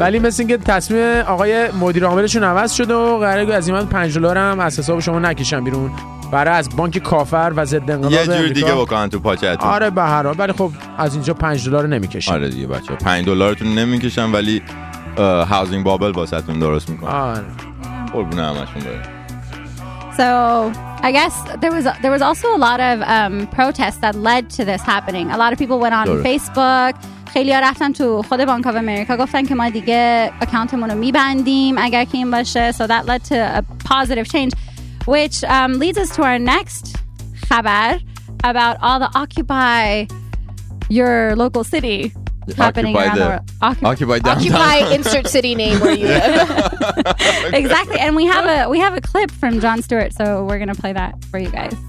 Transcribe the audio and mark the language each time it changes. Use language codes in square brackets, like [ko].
[fa] ولی مثل اینکه تصمیم آقای مدیر عاملشون عوض شده و قراره از این $5 هم از حساب شما نکشن بیرون. برای از بانک کافر و ضد انقلاب یه جور دیگه بکنن تو پاچه‌تون. آره به هر حال. ولی خب از اینجا $5 نمیکشن. آره دیگه بچه‌ها $5تون نمیکشن ولی هاوزینگ بابل واسهتون درست میکنن. آره. قربون همشون برید. [en] So I guess there was also a lot of protests that led to this happening. A lot of people went on [fa] درست. [en] Facebook. [fa] خیلی‌ها رفتن تو خود بانک آف امریکا گفتن که ما دیگه اکانتمون رو می‌بندیم اگر که این باشه. [en] So that led to a positive change. Which leads us to our next [fa] خبر [en] about all the Occupy your local city happening Occupy around the world. Occupy downtown. Occupy insert city name where you live. Exactly. And we have a clip from Jon Stewart, so we're going to play that for you guys.